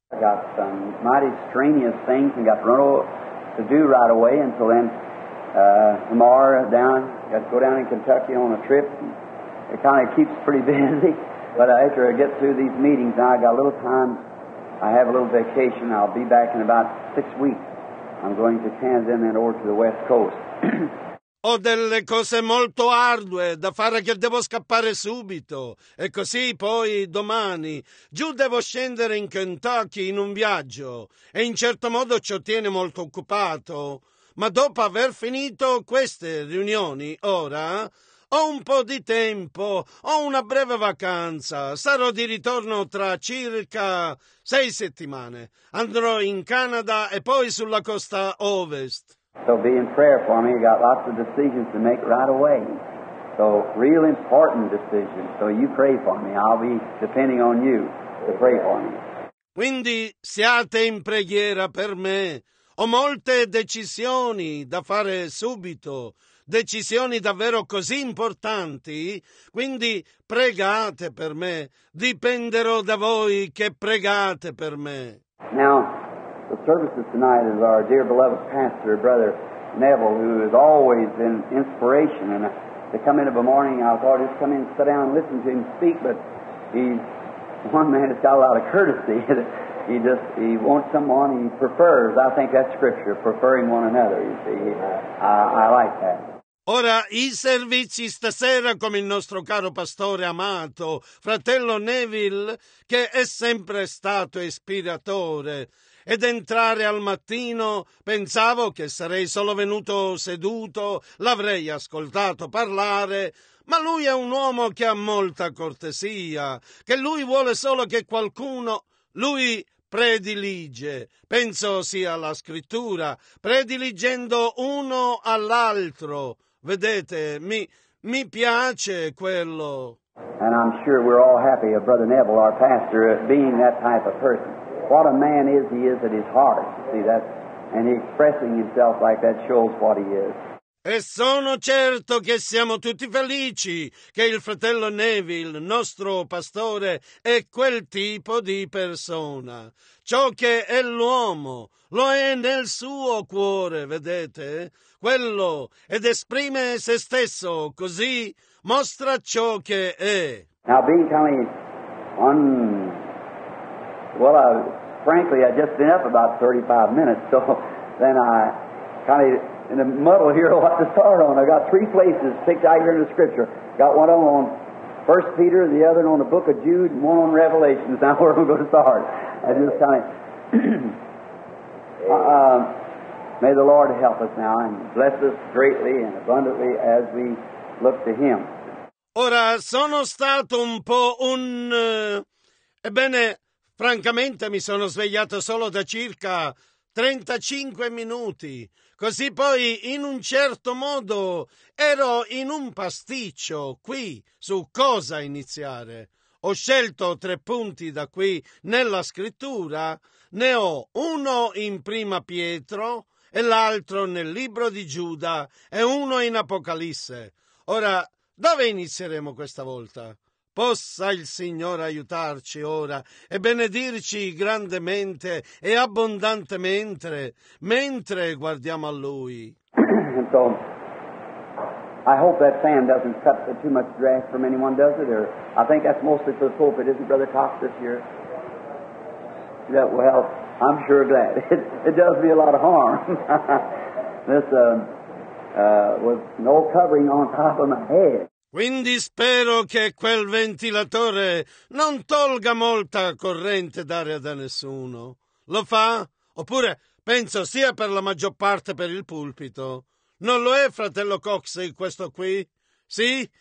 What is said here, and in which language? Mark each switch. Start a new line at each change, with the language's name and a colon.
English: I got some mighty strenuous things and got run over to do right away until then tomorrow down. Got to go down in Kentucky on a trip. It kind of keeps pretty busy. But after I get through these meetings, now I got a little time. I have a little vacation. I'll be back in about 6 weeks. I'm going to Canada and then over to the West Coast.
Italian: Ho delle cose molto ardue da fare che devo scappare subito. E così poi domani giù devo scendere in Kentucky in un viaggio. E in certo modo ci tiene molto occupato. Ma dopo aver finito queste riunioni, ora, ho un po' di tempo, ho una breve vacanza. Sarò di ritorno tra circa 6 settimane. Andrò in Canada e poi sulla costa ovest.
English: So be in prayer for me. You got lots of decisions to make right away. So real important decisions. So you pray for me. I'll be depending on you to pray for me.
Italian: Quindi siate in preghiera per me. Ho molte decisioni da fare subito. Decisioni davvero così importanti. Quindi pregate per me. Dipenderò da voi che pregate per me.
English: Now, the services tonight is our dear beloved pastor, Brother Neville, who has always been inspiration. And to come in of a morning, I thought, just come in, sit down, and listen to him speak. But he's one man that's got a lot of courtesy. he wants someone he prefers. I think that's scripture, preferring one another. You see, I like that.
Italian: Ora, i servizi stasera, come il nostro caro pastore amato, fratello Neville, che è sempre stato ispiratore. Ed entrare al mattino, pensavo che sarei solo venuto seduto, l'avrei ascoltato parlare, ma lui è un uomo che ha molta cortesia, che lui vuole solo che qualcuno, lui predilige, penso sia la scrittura, prediligendo uno all'altro. Vedete, mi piace quello.
English: And I'm sure we're all happy of Brother Neville, our pastor, being that type of person. What a man is he is at his heart. See that, and expressing himself like that shows what he is.
Italian: E sono certo che siamo tutti felici che il fratello Neville, nostro pastore, è quel tipo di persona. Ciò che è l'uomo lo è nel suo cuore, vedete? Quello ed esprime se stesso così mostra ciò che è.
English: Now being coming on, well, frankly, I just been up about 35 minutes, so then I kind of in a muddle here what to start on. I got three places picked out here in the scripture. Got one of them on 1 Peter, the other on the book of Jude, and one on Revelation. Now where I'm going to start. I just kind of, may the Lord help us now and bless us greatly and abundantly as we look to Him.
Italian: Ora, sono stato un po' un... Ebbene, francamente mi sono svegliato solo da circa 35 minuti. Così poi, in un certo modo, ero in un pasticcio qui su cosa iniziare. Ho scelto tre punti da qui nella scrittura. Ne ho uno in Prima Pietro e l'altro nel libro di Giuda e uno in Apocalisse. Ora... dove inizieremo questa volta? Possa il Signore aiutarci ora e benedirci grandemente e abbondantemente mentre guardiamo a Lui.
English: So, I hope that fan doesn't cut too much grass from anyone, does it? Or I think that's mostly for the pulpit, isn't Brother Cox this year? Yeah, well, I'm sure glad. It does me a lot of harm. With no covering on top of my head.
Italian: Quindi spero che quel ventilatore non tolga molta corrente d'aria da nessuno. Lo fa? Oppure penso sia per la maggior parte per il pulpito. Non lo è, fratello Cox, questo qui? Sì?